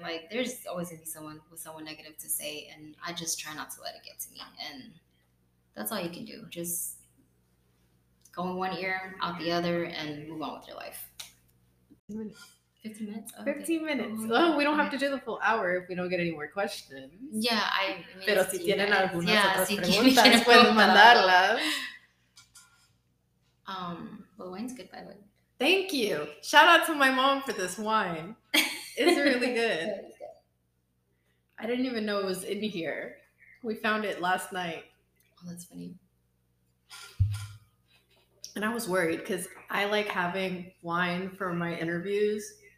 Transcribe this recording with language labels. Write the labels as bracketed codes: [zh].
[en] Like, there's always going to be someone with someone negative to say, and I just try not to let it get to me. And that's all you can do. Just go in one ear, out the other, and move on with your life. 15 minutes. Okay. Well, we don't have to do the full hour if we don't get any more questions. Yeah, [es] pero si tienen algunas otras preguntas, pueden mandarlas. [en] Well, wine's good, by the way. Thank you. Shout out to my mom for this wine. It's really good. I didn't even know it was in here. We found it last night. Oh, that's funny. And I was worried because I like having wine for my interviews.